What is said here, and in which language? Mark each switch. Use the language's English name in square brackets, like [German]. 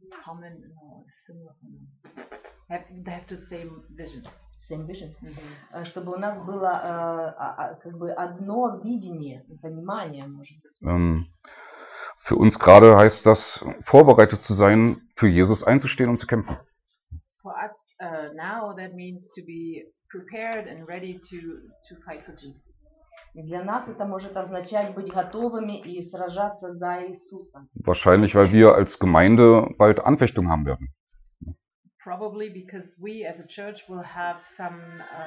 [English] common, you know, similar, you know, they have the same vision. Same vision. Mm-hmm. [Russian] Чтобы у нас было как бы одно видение, понимание, может быть. [German] Für uns gerade heißt das, vorbereitet zu sein, für Jesus einzustehen und zu kämpfen. [English] For us now, that means to be prepared and ready to fight for Jesus. [Russian] И для нас это может означать быть готовыми и сражаться за Иисуса. [German] Wahrscheinlich, weil wir als Gemeinde bald Anfechtung haben werden. [English] Probably because we as a church will have some